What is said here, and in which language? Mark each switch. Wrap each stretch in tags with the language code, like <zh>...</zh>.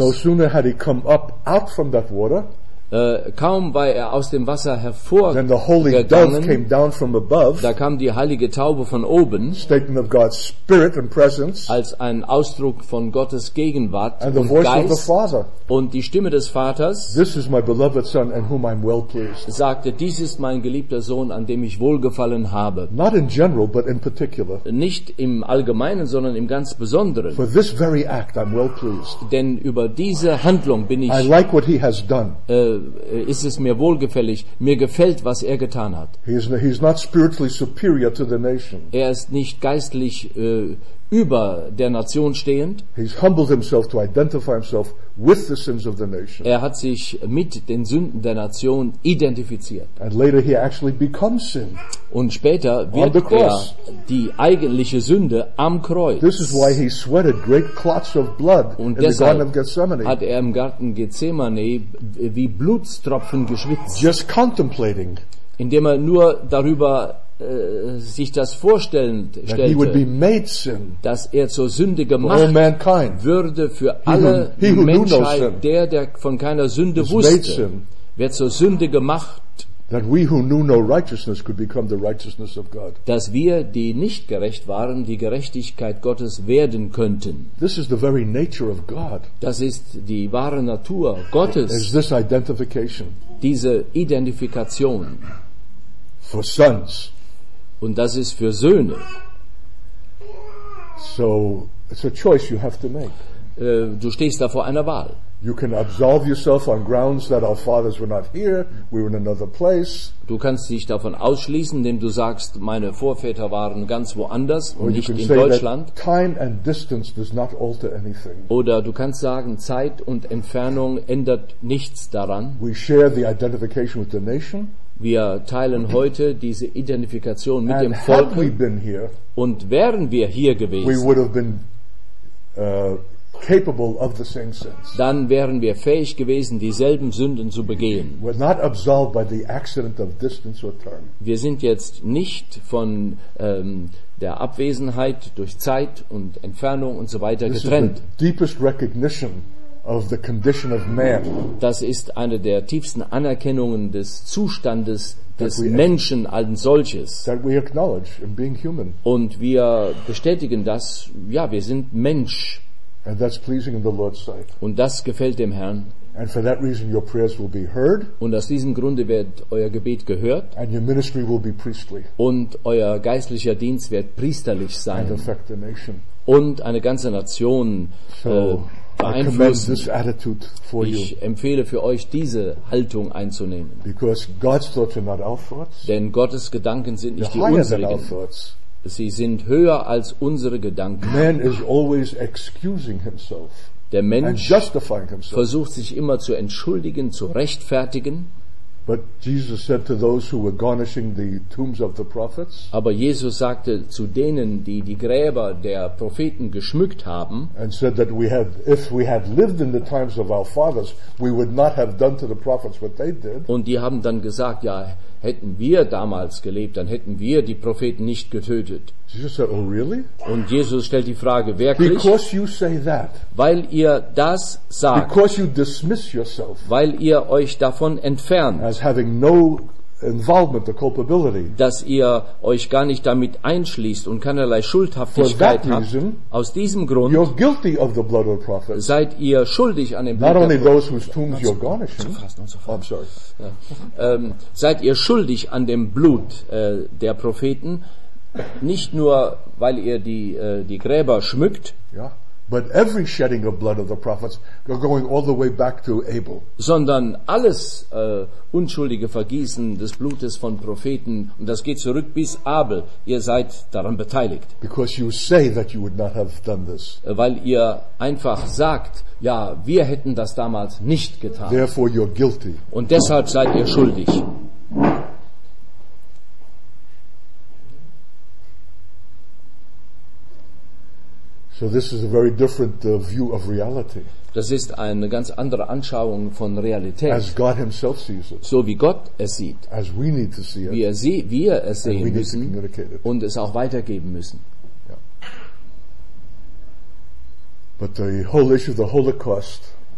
<en>No sooner had he come up out from that water,</en> <de>kaum war er aus dem Wasser hervorgegangen, da kam die heilige Taube von oben,</de> <en>statement of God's spirit and presence,</en> <de>als ein Ausdruck von Gottes Gegenwart</de> <en>and</en> <de>und</de> <en>the voice</en> <de>Geist</de> <en>of the Father.</en> <de>Und die Stimme des Vaters,</de> <en>this is my beloved son in whom I'm well pleased,</en> <de>sagte, dies ist mein geliebter Sohn, an dem ich wohlgefallen habe.</de> <en>Not in general, but in particular.</en> <de>Nicht im Allgemeinen, sondern im ganz Besonderen.</de> <en>For this very act, I'm well pleased.</en> <de>Denn über diese Handlung bin ich</de> <en>I like what he has done.</en> <de>ist es mir wohlgefällig, mir gefällt, was er getan hat.</de> <en>He's not spiritually superior to the nation.</en> <de>Er ist nicht geistlich über der Nation stehend.</de> <en>He's humbled himself to identify himself with the sins of the nation.</en> <de>Er hat sich mit den Sünden der Nation identifiziert.</de> <en>And later he actually becomes sin.</en> <de>Und später wird er die eigentliche Sünde am Kreuz.</de> <en>This is why he sweated great clots of blood in the Garden of Gethsemane.</en> <de>Hat er im Garten Gethsemane wie Blutstropfen geschwitzt.</de> <en>Just contemplating.</en> <de>Indem er nur darüber sich das vorstellen stellte, dass er zur Sünde gemacht würde für alle Menschheit, der von keiner Sünde wusste, wird zur Sünde gemacht, dass wir, die nicht gerecht waren, die Gerechtigkeit Gottes werden könnten.</de> <en>This is the very nature of God.</en> <de>Das ist die wahre Natur Gottes.</de> <en>Is this identification?</en> <de>Diese Identifikation</de> <en>für Sons.</en> <de>Und das ist für Söhne.</de> <en>So, it's a choice you have to make.</en> <de>Du stehst da vor einer Wahl.</de> <en>You can absolve yourself on grounds that our fathers were not here, we were in another place.</en> <de>Du kannst dich davon ausschließen, indem du sagst, meine Vorväter waren ganz woanders, nicht in Deutschland.</de> <en>Time and distance does not alter anything.</en> <de>Oder du kannst sagen, Zeit und Entfernung ändert nichts daran.</de> <en>We share the identification with the nation.</en> <de>Wir teilen heute diese Identifikation mit dem Volk. Und wären wir hier gewesen,</de> <en>we would have been, capable of the same sins.</en> <de>Dann wären wir fähig gewesen, dieselben Sünden zu begehen.</de> <en>We're not absolved by the accident of distance or time.</en> <de>Wir sind jetzt nicht von der Abwesenheit durch Zeit und Entfernung und so weiter</de> <en>this</en> <de>getrennt.</de> <en>Is the deepest recognition of the condition of man.</en> <de>Das ist eine der tiefsten Anerkennungen des Zustandes des Menschen als solches.</de> <en>That we acknowledge in being human.</en> <de>Und wir bestätigen das, ja, wir sind Mensch.</de> <en>And that's pleasing in the Lord's sight.</en> <de>Und das gefällt dem Herrn.</de> <en>And for that reason your prayers will be heard.</en> <de>Und aus diesem Grunde wird euer Gebet gehört.</de> <en>And your ministry will be priestly.</en> <de>Und euer geistlicher Dienst wird priesterlich sein.</de> <en>And affect the nation.</en> <de>Und eine ganze Nation</de> <en>I commend this attitude for</en> <de>ich</de> <en>you.</en> <de>Empfehle für euch, diese Haltung einzunehmen.</de> <en>Because God's thoughts are not our thoughts.</en> <de>Denn Gottes Gedanken sind nicht die unseren. Sie sind höher als unsere Gedanken.</de> <en>Man is always excusing himself.</en> <de>Der Mensch</de> <en>and justifying himself.</en> <de>Versucht sich immer zu entschuldigen, zu rechtfertigen.</de> <en>But Jesus said to those who were garnishing the tombs of the prophets.</en> <de>Aber Jesus sagte zu denen, die Gräber der Propheten geschmückt haben.</de> <en>And said that we had, if we had lived in the times of our fathers, we would not have done to the prophets what they did.</en> <de>Und die haben dann gesagt, ja, hätten wir damals gelebt, dann hätten wir die Propheten nicht getötet.</de> <en>Jesus said, oh, really?</en> <de>Und Jesus stellt die Frage, wirklich?</de> <en>Because you say that.</en> <de>Weil ihr das sagt.</de> <en>Because you dismiss yourself.</en> <de>Weil ihr euch davon entfernt.</de> <en>As having no involvement or culpability.</en> <de>Dass ihr euch gar nicht damit einschließt und keinerlei Schuldhaftigkeit</de> <en>for that reason,</en> <de>habt. Aus diesem Grund</de> <en>you're guilty of the blood of the prophets.</en> <de>Seid ihr schuldig an dem Blut der Propheten.</de> <en>Not only those whose tombs you're garnishing. I'm sorry.</en> <de>Ja. Seid ihr schuldig an dem Blut der Propheten. Nicht nur, weil ihr die Gräber schmückt,</de> <en>ja, but every shedding of blood of the prophets going all the way back to Abel.</en> <de>Sondern alles unschuldige Vergießen des Blutes von Propheten, und das geht zurück bis Abel. Ihr seid daran beteiligt.</de> <en>Because you say that you would not have done this.</en> <de>Weil ihr einfach sagt, ja, wir hätten das damals nicht getan.</de> <en>Therefore you're guilty.</en> <de>Und deshalb seid ihr schuldig.</de> <en>So this is a very different view of reality.</en> <de>Das ist eine ganz andere Anschauung von Realität.</de> <en>As God himself sees it.</en> <de>So wie Gott es sieht.</de> <en>As we need to see it.</en> <de>Wir es sehen</de> <en>and we</en> <de>müssen</de> <en>need to communicate it.</en> <de>Und es auch weitergeben müssen.</de> <en>Yeah. But the whole issue of the Holocaust.</en>